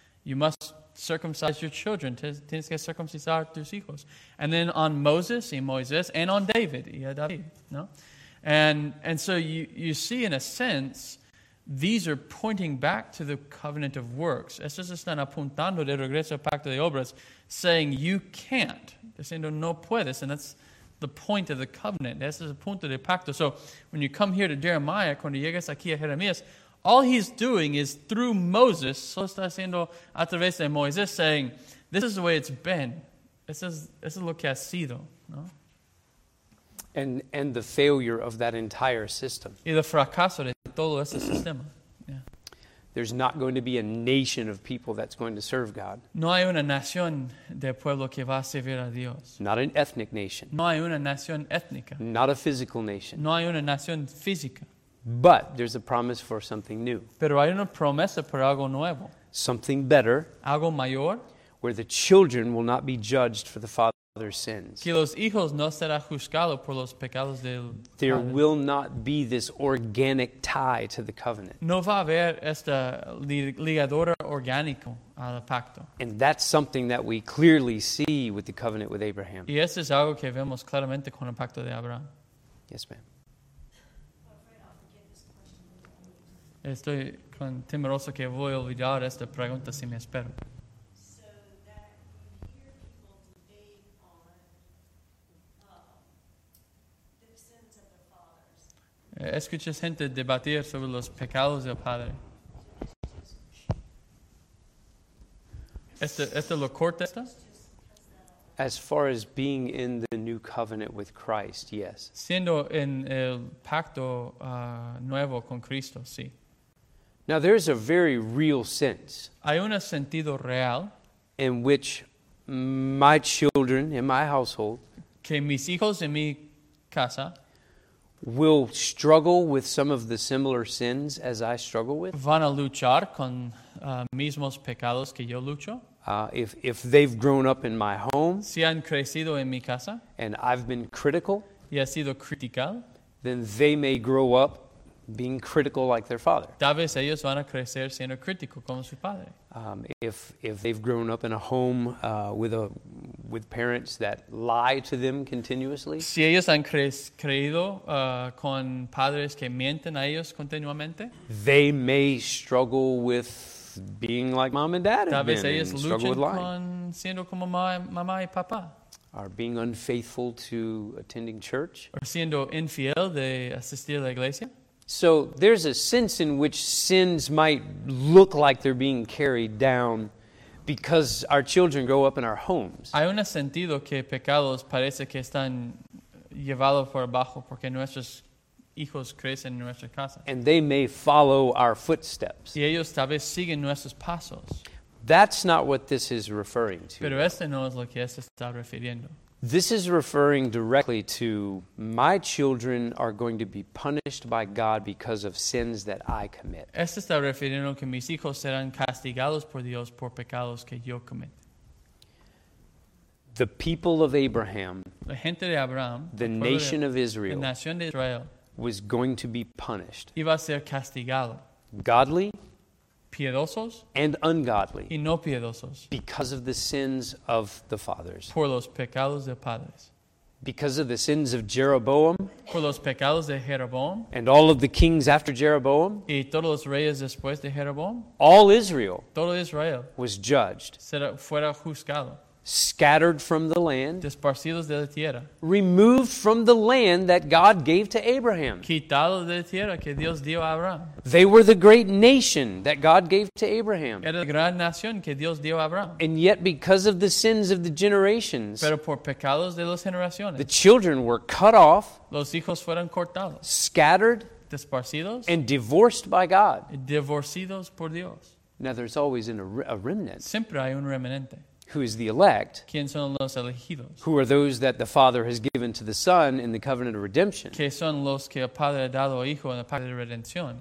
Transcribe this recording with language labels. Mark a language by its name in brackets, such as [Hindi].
[English] You must circumcise your children. [Spanish] Tienes que circuncidar tus hijos, [English] and then on Moses [Spanish] y Moisés, [English] and on David [Spanish] y a David. [English] No, and so you see in a sense these are pointing back to the covenant of works. [Spanish] Estos están apuntando de regreso al pacto de obras, [English] saying you can't. [Spanish] Diciendo no puedes, [English] and that's the point of the covenant. [Spanish] Ese es el punto del pacto. [English] So when you come here to Jeremiah, [Spanish] cuando llegas aquí a Jeremías, [English] all he's doing is through Moses, [Spanish] solo está haciendo a través de Moisés, [English] saying, this is the way it's been. [Spanish] Eso es lo que ha sido. No? [English] And the failure of that entire system. [Spanish] Y el fracaso de todo ese sistema. [English] Yeah. There's not going to be a nation of people that's going to serve God. [Spanish] No hay una nación de pueblo que va a servir a Dios. [English] Not an ethnic nation. [Spanish] No hay una nación étnica. [English] Not a physical nation. [Spanish] No hay una nación física. [English] But there's a promise for something new. [Spanish] Pero hay una promesa por algo nuevo. [English] Something better. [Spanish] Algo mayor. [English] Where the children will not be judged for the father's sins. [Spanish] Que los hijos no serán juzgados por los pecados del padre. [English] There will not be this organic tie to the covenant. [Spanish] No va a haber esta ligadura orgánica al pacto. [English] And that's something that we clearly see with the covenant with Abraham. [Spanish] Y eso es algo que vemos claramente con el pacto de Abraham. [English] Yes, ma'am. [Spanish] Estoy tan temeroso que voy a olvidar esta pregunta si me espero. Escuché gente debatir sobre los pecados del Padre. ¿Esto lo corta esto? [English] As far as being in the new covenant with Christ, yes. [Spanish] Siendo en el pacto nuevo con Cristo, sí. [English] Now there is a very real sense. [Spanish] Hay un sentido real. [English] In which my children in my household. [Spanish] Que mis hijos en mi casa. [English] Will struggle with some of the similar sins as I struggle with. [Spanish] Van a luchar con mismos pecados que yo lucho. [English] If they've grown up in my home. [Spanish] Si han crecido en mi casa. [English] And I've been critical. [Spanish] Y ha sido critical. [English] Then they may grow up being critical like their father. [Spanish] Tal vez ellos van a crecer siendo crítico como su padre. [English] If they've grown up in a home with parents that lie to them continuously. [Spanish] Si ellos han creído con padres que mienten a ellos continuamente. [English] They may struggle with being like mom and dad. [Spanish] Tal vez ellos luchen con siendo como mamá y papá. [English] Are being unfaithful to attending church. [Spanish] O siendo infiel de asistir a la iglesia. [English] So there's a sense in which sins might look like they're being carried down because our children grow up in our homes. [Spanish] Hay un sentido que pecados parece que están llevados por abajo porque nuestros hijos crecen en nuestra casa. [English] And they may follow our footsteps. [Spanish] Y ellos tal vez siguen nuestros pasos. [English] That's not what this is referring to. [Spanish] Pero este no es lo que este está refiriendo. [English] This is referring directly to my children are going to be punished by God because of sins that I commit. [Spanish] Esto está refiriendo que mis hijos serán castigados por Dios por pecados que yo cometo. [English] The people of Abraham, [Spanish] la gente de Abraham, [English] the nation of Israel, [Spanish] la nación de Israel, [English] was going to be punished. [Spanish] Iba a ser castigado. [English] Godly, [Spanish] piedosos, [English] and ungodly, [Spanish] y no piedosos, [English] because of the sins of the fathers, [Spanish] por los pecados de padres, [English] because of the sins of Jeroboam, [Spanish] por los pecados de Jeroboam, [English] and all of the kings after Jeroboam, [Spanish] y todos los reyes después de Jeroboam, [English] all Israel, [Spanish] todo Israel, [English] was judged, [Spanish] será fuera juzgado, [English] scattered from the land, [Spanish] desparcidos de la tierra, [English] removed from the land that God gave to Abraham, [Spanish] quitados de la tierra que Dios dio a Abraham. [English] They were the great nation that God gave to Abraham. [Spanish] Era la gran nación que Dios dio a Abraham. [English] And yet because of the sins of the generations, [Spanish] pero por pecados de las generaciones, [English] the children were cut off, [Spanish] los hijos fueron cortados, [English] scattered, [Spanish] desparcidos, [English] and divorced by God. [Spanish] Divorcidos por Dios. [English] Now there's always a remnant. [Spanish] Siempre hay un remanente. [English] Who is the elect? [Spanish] ¿Quién son los elegidos? [English] Who are those that the Father has given to the Son in the covenant of redemption? [Spanish] ¿Qué son los que el Padre ha dado al Hijo en el pacto de redención?